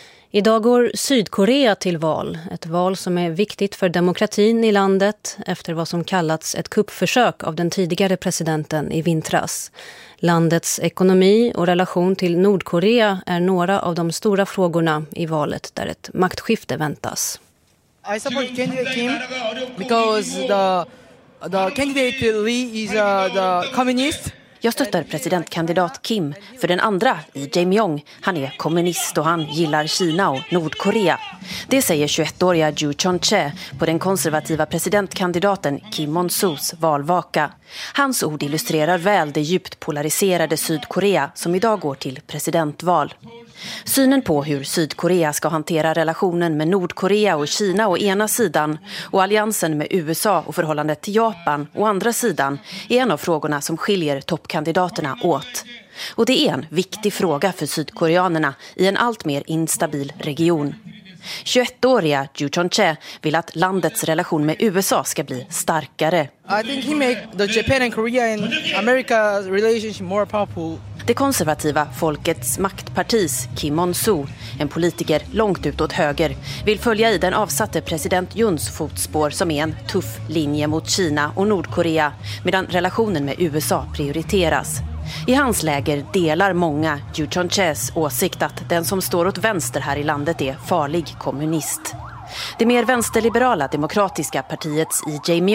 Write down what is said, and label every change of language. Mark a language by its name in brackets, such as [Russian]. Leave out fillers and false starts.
[Swedish] Idag går Sydkorea till val, ett val som är viktigt för demokratin i landet efter vad som kallats ett kuppförsök av den tidigare presidenten i vintras. Landets ekonomi och relation till Nordkorea är några av de stora frågorna i valet där ett maktskifte väntas. [English] I support Kim because the candidate Lee is the communist. [Swedish] Jag stöttar presidentkandidat Kim, för den andra, Lee Jae-myung. Han är kommunist och han gillar Kina och Nordkorea. Det säger 21-åriga Ju Chon-che på den konservativa presidentkandidaten Kim Mon-soos valvaka. Hans ord illustrerar väl det djupt polariserade Sydkorea som idag går till presidentval. Synen på hur Sydkorea ska hantera relationen med Nordkorea och Kina å ena sidan och alliansen med USA och förhållandet till Japan å andra sidan är en av frågorna som skiljer toppkandidaterna åt. Och det är en viktig fråga för sydkoreanerna i en allt mer instabil region. 21-åriga Ju Chon-che vill att landets relation med USA ska bli starkare. [English] I think he make the Japan and Korea and America relationship more powerful. [Swedish] Det konservativa Folkets maktpartis Kim Mon-soo, en politiker långt ut åt höger, vill följa i den avsatte president Juns fotspår som är en tuff linje mot Kina och Nordkorea, medan relationen med USA prioriteras. I hans läger delar många Ju Chon-ches åsikt att den som står åt vänster här i landet är farlig kommunist. Det mer vänsterliberala demokratiska partiets Lee Jae-myung